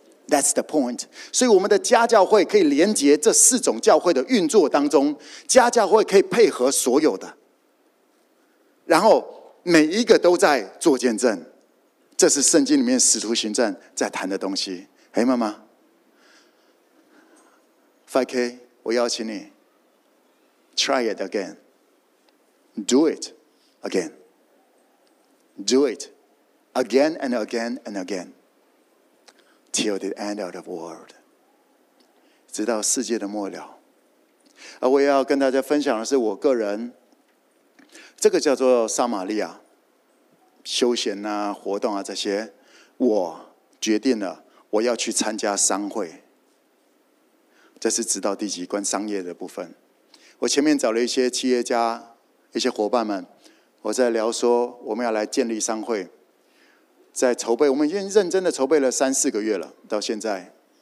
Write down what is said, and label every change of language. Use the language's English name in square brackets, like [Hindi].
[English] That's the point. [Chinese] 所以我们的家教会可以连接这四种教会的运作当中，家教会可以配合所有的。然后每一个都在做见证，这是圣经里面使徒行传在谈的东西。哎，妈妈 5K， 我邀请你 [English] Try it again， Do it again， Do it again and again and again till the end of the world， [Chinese] 直到世界的末了。而我要跟大家分享的是我个人，这个叫做撒玛利亚休闲啊、活动啊这些，我决定了我要去参加商会。这是直到第几关商业的部分。我前面找了一些企业家、一些伙伴们，我在聊说我们要来建立商会，在筹备，我们已经认真的筹备了三四个月了，到现在。